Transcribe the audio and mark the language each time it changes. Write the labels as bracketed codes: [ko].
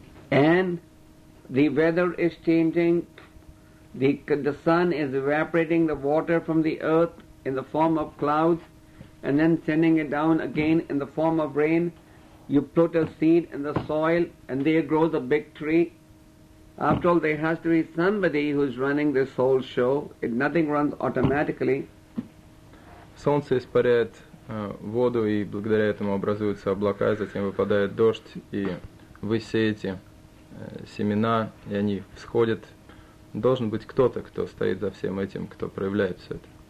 [en] And the weather is changing. The sun is evaporating the water from the earth in the form of clouds, and then sending it down again in the form of rain. You put a seed in the soil, and there grows a big tree. After all, there has to be somebody who is running this whole show. It nothing runs automatically. [ru] Солнце испаряет воду, и благодаря этому образуются облака, и затем выпадает дождь, и вы сеете семена, и они всходят. Должен быть кто-то, кто стоит за всем этим, кто проявляет все это.